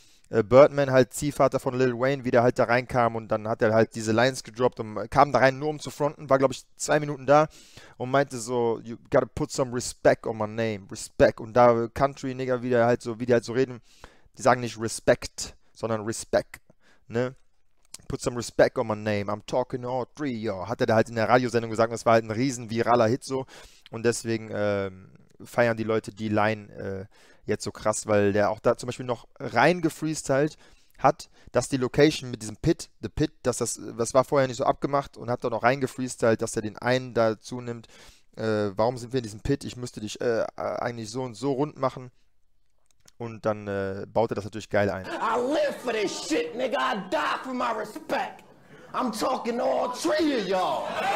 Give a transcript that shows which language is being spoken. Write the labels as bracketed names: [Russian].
[German] Birdman, halt Ziehvater von Lil Wayne, wie der halt da reinkam und dann hat er halt diese Lines gedroppt und kam da rein, nur um zu fronten, war, glaube ich, 2 Minuten da und meinte so, [English] you gotta put some respect on my name, respect. [German] Und da Country-Nigger, wie die halt so reden, die sagen nicht respect, sondern respect, ne? [English] Put some respect on my name, I'm talking all three, yo. [German] Hat er da halt in der Radiosendung gesagt, das war halt ein riesen viraler Hit so. Und deswegen feiern die Leute die Line, jetzt so krass, weil der auch da zum Beispiel noch rein gefreestylt hat, dass die Location mit diesem Pit, The Pit, dass das war vorher nicht so abgemacht und hat da noch rein gefreestylt, dass er den einen dazu nimmt. Warum sind wir in diesem Pit? Ich müsste dich eigentlich so und so rund machen. Und dann baut er das natürlich geil ein. [English] I live for this shit, nigga. I die for my respect. I'm talking all three of y'all.